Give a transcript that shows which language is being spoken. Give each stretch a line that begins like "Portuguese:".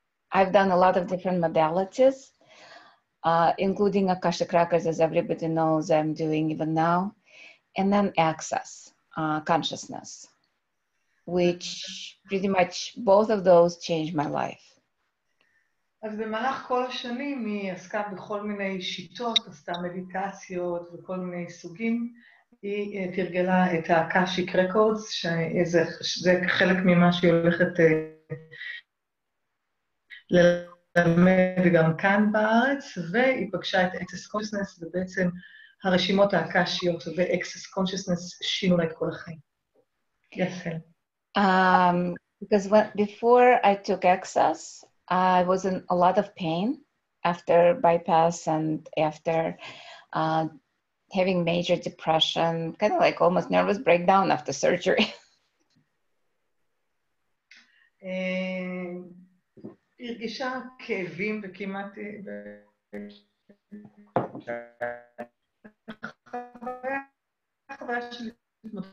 English: I've done a lot of different modalities, including Akashic Records, as everybody knows I'm doing even now, and then access, consciousness. Which pretty much both of those changed my life.
Hebrew: אז במהלך כל השנים היא עסקה בכל מיני שיטות, עשתה מדיטציות וכל מיני סוגים. היא תרגלה את הקאשיק רקורדס, שזה חלק ממה שהיא הולכת ללמד גם כאן בארץ, והיא פגשה את access consciousness, ובעצם הרשימות הקאשיות ו-access consciousness שינו לה את כל החיים. יפה.
English: Because when, before I took access, I was in a lot of pain after bypass and after having major depression, kind of like almost nervous breakdown after surgery.